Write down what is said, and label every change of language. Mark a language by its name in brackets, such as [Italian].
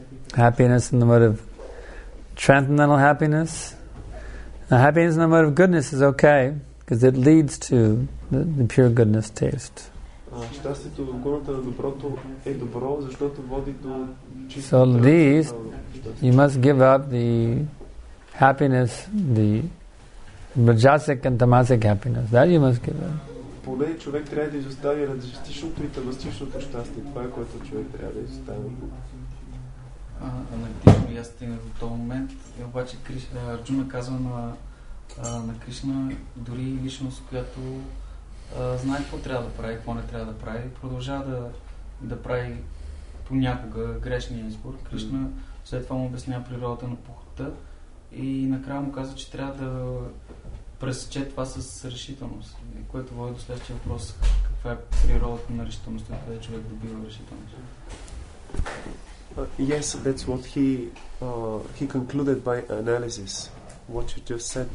[English] Happiness in the mode of transcendental happiness. The happiness in the mode of goodness is okay because it leads to the pure goodness taste. [Bulgarian] Щастието в гората на доброто е добро, защото води до чисто. [English] So at least you must give up the happiness, the rajasic and tamasic happiness. That you must give up. [Bulgarian] Поне човек трябва да изостави раджастичното и тамастичното щастие. Това е което човек трябва да изостави. На Кришна, и аз стигнах до този момент. И обаче Арджуна казва на Кришна, дори личност, която знае какво трябва да прави, какво не трябва да прави, продължава да прави понякога грешния избор. Кришна след това му обяснява природата на похотта и накрая му казва, че трябва да пресече това с решителност, което води до следващия въпрос, каква е природата на решителност, и къде човек добива решителност. [English] Yes, that's what he concluded by analysis, what you just said.